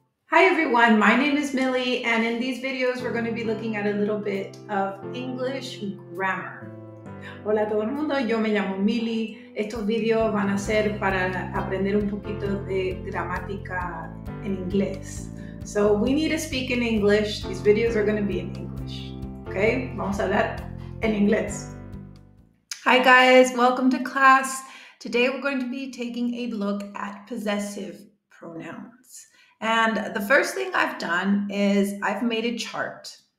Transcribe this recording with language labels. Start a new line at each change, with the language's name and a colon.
English: Hi everyone, my name is Millie, and in these videos we're going to be looking at a little bit of English grammar.
Spanish: Hola a todo el mundo, yo me llamo Millie. Estos videos van a ser para aprender un poquito de gramática en inglés.
English: So we need to speak in English. These videos are going to be in English.
Spanish: Okay, vamos a hablar en inglés.
English: Hi guys, welcome to class. Today we're going to be taking a look at possessive pronouns. And the first thing I've done is I've made a chart.